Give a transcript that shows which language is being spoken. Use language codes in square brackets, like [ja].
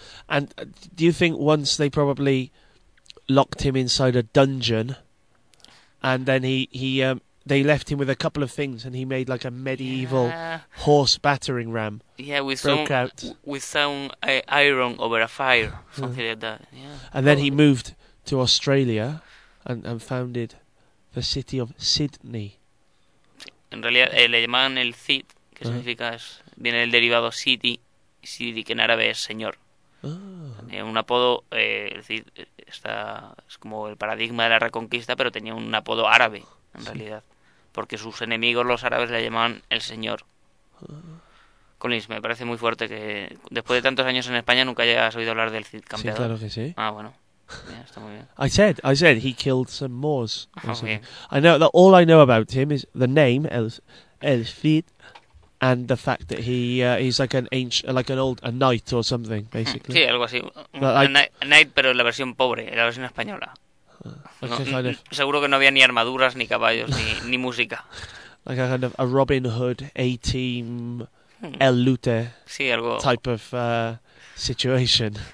[en] And do you think once they probably locked him inside a dungeon and then they left him with a couple of things and he made like a medieval horse battering ram. Yeah, with some iron over a fire, something like that. Yeah. And then he moved to Australia and founded the city of Sydney. [es] En realidad, le llaman el Cid, que significa, viene del derivado city, que en árabe es señor. Un apodo, el Cid es como el paradigma de la reconquista, pero tenía un apodo árabe, en realidad. Porque sus enemigos, los árabes, le llamaban el señor. Collins, me parece muy fuerte que después de tantos años en España nunca hayas oído hablar del Cid campeador. Sí, claro que sí. Ah, bueno. Yeah, está muy bien. [en] I said he killed some Moors. I know that all I know about him is the name, El Cid, and the fact that he's like an ancient, like an old, a knight or something, basically. [es] Sí, algo así. A knight, pero en la versión pobre, en la versión española. Seguro que no había ni armaduras, ni caballos, ni música. [en] Like a kind of a Robin Hood, A-Team, El Lute type of situation.